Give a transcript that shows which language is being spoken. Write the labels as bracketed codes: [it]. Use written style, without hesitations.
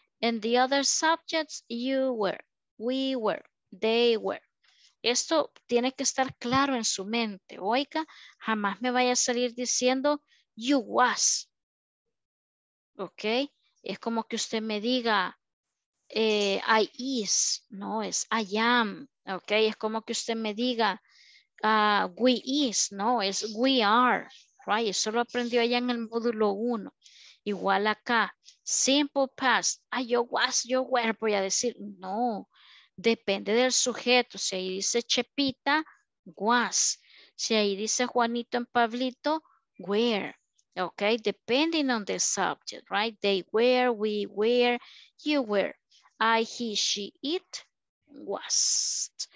[en] And the other subjects, you were, we were, they were. [es] Esto tiene que estar claro en su mente. Oiga, jamás me vaya a salir diciendo, [en] you was. [es] Ok, es como que usted me diga, [en] I is, [es] no, es [en] I am, [es] ok, es como que usted me diga, [en] we is, [es] no, es [en] we are, [es] right, eso lo aprendió allá en el módulo 1, igual acá, simple past, ah, yo was, yo were, voy a decir, no, depende del sujeto, si ahí dice Chepita, was, si ahí dice Juanito en Pablito, were, [en] Okay, depending on the subject, right? They were, we were, you were, I, he, she, it, was.